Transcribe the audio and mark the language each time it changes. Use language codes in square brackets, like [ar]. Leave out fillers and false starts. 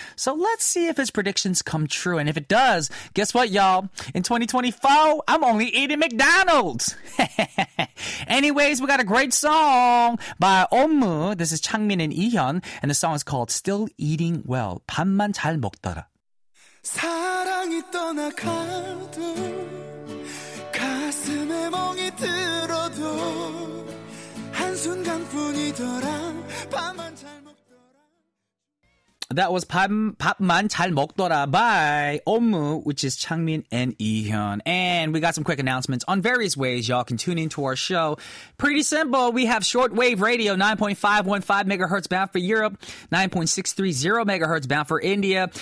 [en] So let's see if his predictions come true. And if it does, guess what, y'all? In 2024, I'm only eating McDonald's. Anyways, we got a great song by Omu. This is Changmin and Ihyun, and the song is called Still Eating Well. [ko] 밥만 잘 먹더라. 사랑이 떠나가도 가슴에 멍이 들어도 한순간뿐이더라. 밥만 잘 [en] That was 밥만 잘 먹더라 by Omu, which is Changmin and Ihyun. And we got some quick announcements on various ways y'all can tune into our show. Pretty simple. We have shortwave radio, 9.515 megahertz bound for Europe, 9.630 megahertz bound for India.